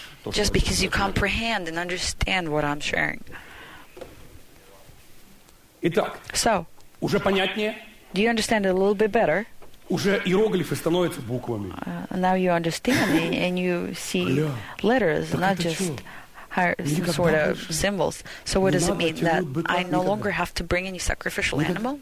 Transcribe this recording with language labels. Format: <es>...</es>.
<en>Just because you comprehend and understand what I'm sharing. So, do you understand it a little bit better?</en> <ru>Уже иероглифы становятся буквами.</ru> <en>Now you understand and you see letters, not just some sort of symbols. So what does it mean that I no longer have to bring any sacrificial animal?</en>